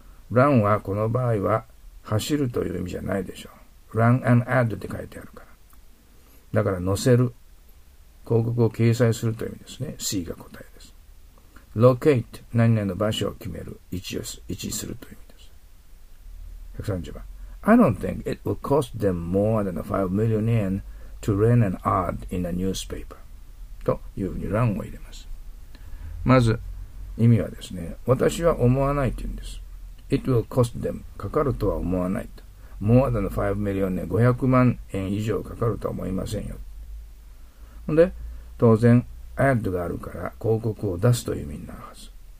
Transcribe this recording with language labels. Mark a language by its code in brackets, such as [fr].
[ja] run はこの場合は走るという意味じゃないでしょう。 [en] run and add [ja] って書いてあるから。だから、載せる。広告を掲載するという意味ですね。C が答えです。locate、何々の場所を決める。位置するという意味です。 130番。 [en] I don't think it will cost them more than 5 million yen to run an ad in a newspaper. [ja] というふうに run を入れます。まず、意味はですね、私は思わないと言うんです。 [en] it will cost them、 [ja] かかるとは思わないと。 [en] more than 5 million [ja] ね、500万円以上かかるとは思いませんよ。ほんで、当然、add があるから、広告を出すという意味になるはず。